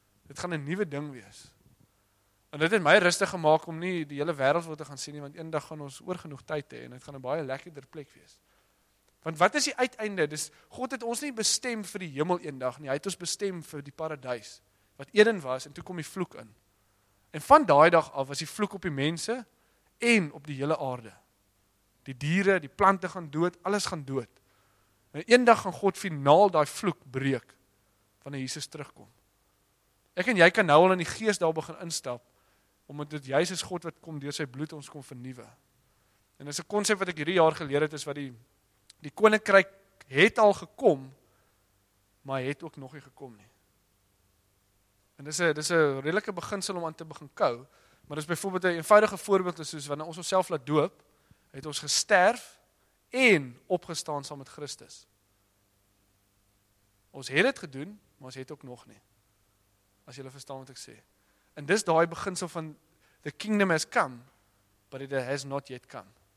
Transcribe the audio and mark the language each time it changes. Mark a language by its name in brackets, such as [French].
[Afrikaans] Dit gaan 'n nuwe ding wees. En dit het my rustig gemaak om nie die hele wêreld wil te gaan sien nie, want eendag gaan ons oor genoeg tyd hê en dit gaan 'n baie lekkerder plek wees. Want wat is die uiteinde? Dis God het ons nie bestem vir die hemel eendag nie. Hy het ons bestem vir die paradys wat Eden was en toe kom die vloek in. En van daai dag af was die vloek op die mense en op die hele aarde. Die diere, die plante gaan dood, alles gaan dood. En eendag gaan God finaal daai vloek breek wanneer Jesus terugkom. Ek en jy kan nou al in die gees daar begin instap, omdat dit juist is God wat kom deur sy bloed ons kom vernuwe. En dis 'n konsep wat ek hierdie jaar geleer het, is wat die koninkryk het al gekom, maar het ook nog nie gekom nie. En dis 'n redelike beginsel om aan te begin kou, maar dis byvoorbeeld 'n eenvoudige voorbeeld is soos wanneer ons onsself laat doop, het ons gesterf en opgestaan saam met Christus. Ons het dit gedoen, maar ons het ook nog nie. As jy verstaan wat ek sê. En dis daai beginsel van [English] the kingdom has come, but it has not yet come.